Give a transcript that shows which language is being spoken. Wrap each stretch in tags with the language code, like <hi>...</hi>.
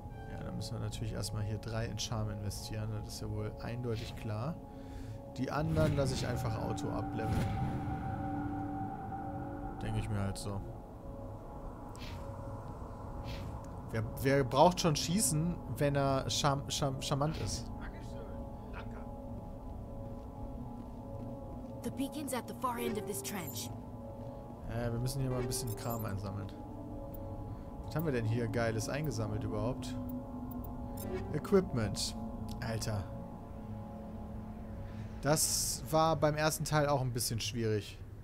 <de>Ja, da müssen wir natürlich erstmal hier 3 in Charm investieren. Das ist ja wohl eindeutig klar. Die anderen lasse ich einfach auto-upleveln. Denke ich mir halt so. Wer braucht schon Schießen, wenn er charmant ist?</de> <en>The beacon's at the far end of this trench.</en> <de>Wir müssen hier mal ein bisschen Kram einsammeln. Was haben wir denn hier Geiles eingesammelt überhaupt? Equipment. Alter. Das war beim ersten Teil auch ein bisschen schwierig.</de>